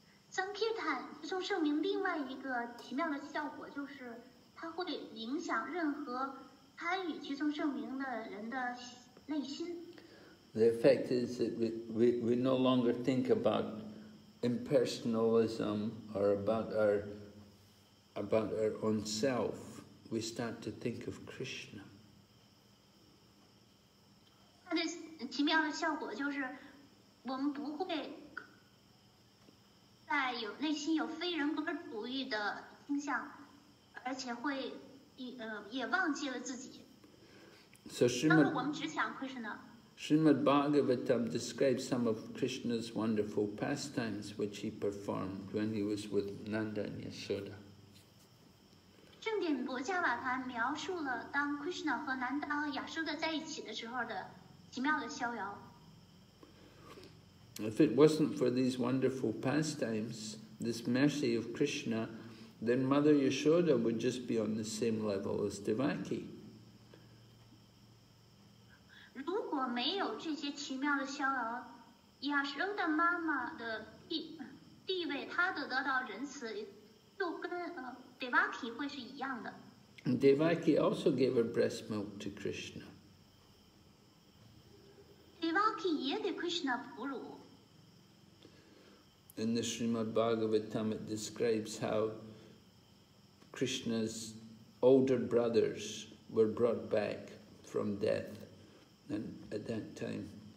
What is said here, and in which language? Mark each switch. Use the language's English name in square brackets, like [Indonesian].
[Chinese] Sankirtan 颂圣名另外一个奇妙的效果就是它会影响任何参与其中圣名的人的内心。 [English] The effect is that we no longer think about impersonalism or about our own self. We start to think of Krishna. [Chinese] 它的奇妙的效果就是，我们不会在有内心有非人格主义的倾向，而且会。也忘记了自己。那么我们只想 Krishna。 [English] Srimad Bhagavatam describes some of Krishna's wonderful pastimes which he performed when he was with Nanda and Yashoda. [Chinese] 正典薄伽瓦坛描述了当 Krishna 和 Nanda 和 Yashoda 在一起的时候的奇妙的逍遥。 [English] If it wasn't for these wonderful pastimes, this mercy of Krishna,then Mother Yashoda would just be on the same level as Devaki. [Chinese] 如果没有这些奇妙的逍遥，雅舍的妈妈的地位，她得到仁慈，就跟Devaki 会是一样的。 [English] And Devaki also gave her breast milk to Krishna. [Chinese] Devaki 也给 Krishna 哺乳。 [English] In the Srimad Bhagavatam, it describes howKrishna's older brothers were brought back from death, and at that time,